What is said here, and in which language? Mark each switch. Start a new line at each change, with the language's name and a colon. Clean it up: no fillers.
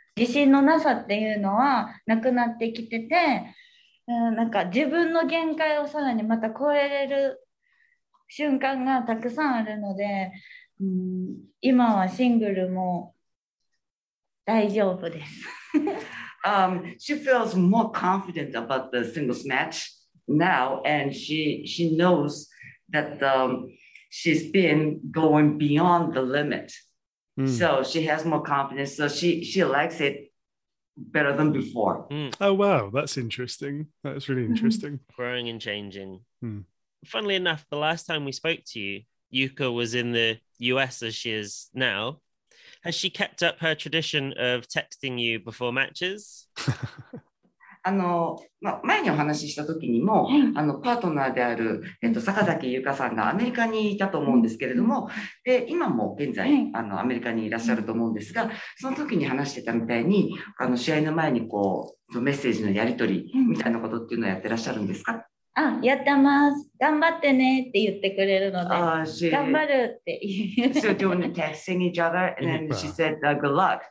Japanese: 自信のなさっていうのはなくなってきてて、なんか自分の限界をさらにまた超えれる瞬間がたくさんあるので、今はシングルも大丈夫です。
English: she feels more confident about the singles match now, and she knows that she's been going beyond the limit. So she has more confidence. So she likes it better than before. Oh, wow. That's interesting. That's really interesting. Growing and changing. Funnily enough, the last time we spoke to you, Yuka was in the US as she is now. Has she kept up her tradition of texting you before matches?
Japanese: 前にお話しした時にも、パートナーである、坂崎優香さんがアメリカにいたと思うんですけれども、で今も現在アメリカにいらっしゃると思うんですが、その時に話してたみたいに試合の前にこうメッセージのやり取りみたいなことっていうのをやってらっしゃるんですか？あ、やってます。頑張ってねって言ってくれるので頑張るって言う。
English: So doing the texting each other, and then she said good luck.